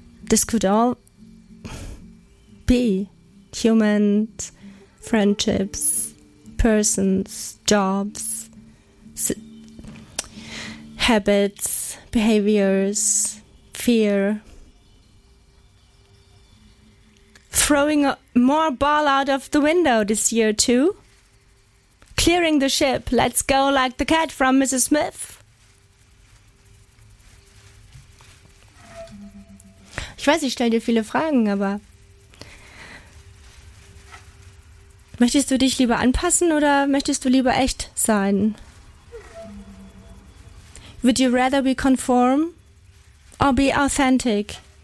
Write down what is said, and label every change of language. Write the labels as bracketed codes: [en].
[en] This could all be humans, friendships, persons, jobs, habits, behaviors, fear. Throwing more ball out of the window this year too. Clearing the ship, let's go like the cat from Mrs. Smith. [de] Ich weiß, ich stelle dir viele Fragen, aber möchtest du dich lieber anpassen oder möchtest du lieber echt sein? [en] Would you rather be conform or be authentic?